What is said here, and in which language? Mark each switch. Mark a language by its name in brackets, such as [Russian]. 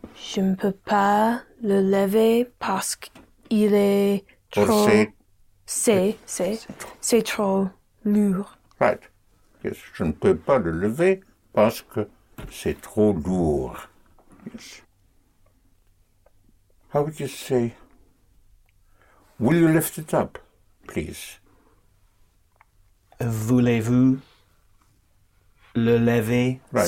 [French] Je ne peux pas le lever parce qu'il est trop... C'est trop lourd. [English] Right. Yes. [French] Je ne peux pas le lever parce que c'est trop lourd. [English] Yes. How would you say, will you lift it up, please? [French] voulez-vous le lever, right.